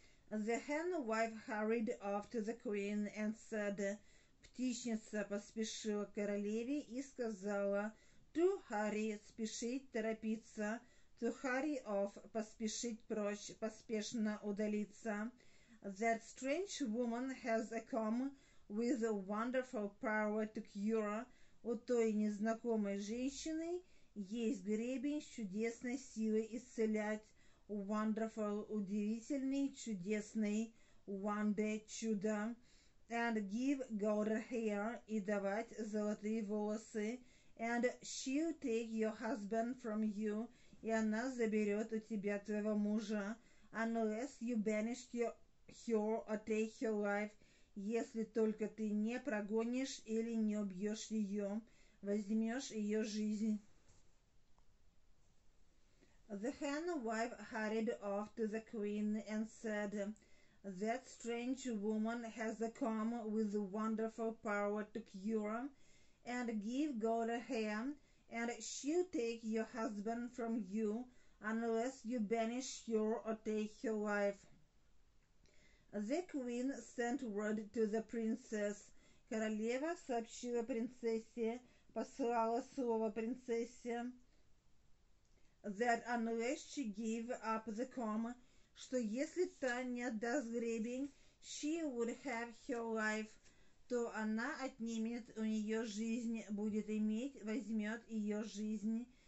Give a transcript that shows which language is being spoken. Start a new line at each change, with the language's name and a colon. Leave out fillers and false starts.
English: The hen wife hurried off to the queen and said,
Russian: Птичница поспешила к королеве и сказала,
English: To hurry,
Russian: спешить, торопиться,
English: to hurry off,
Russian: поспешить прочь, поспешно удалиться.
English: That strange woman has a comb with a wonderful power to cure.
Russian: У той незнакомой женщины есть гребень с чудесной силой исцелять. Wonderful, удивительный, чудесный, wonder, чудо.
English: And give golden hair,
Russian: и давать золотые волосы.
English: And she'll take your husband from you,
Russian: и она заберет у тебя твоего мужа.
English: Unless you banish her or take her life,
Russian: если только ты не прогонишь или не убьешь ее, возьмешь ее жизнь.
English: The hen wife hurried off to the queen and said, That strange woman has a comb with wonderful power to cure and give golden hair, and she'll take your husband from you unless you banish her or take her life. The queen sent word to the princess.
Russian: Королева сообщила принцессе, послала слово принцессе.
English: That unless she gave up the comb,
Russian: что если та не отдаст гребень,
English: she would have her life,
Russian: то она отнимет у нее жизнь, будет иметь, возьмет ее жизнь.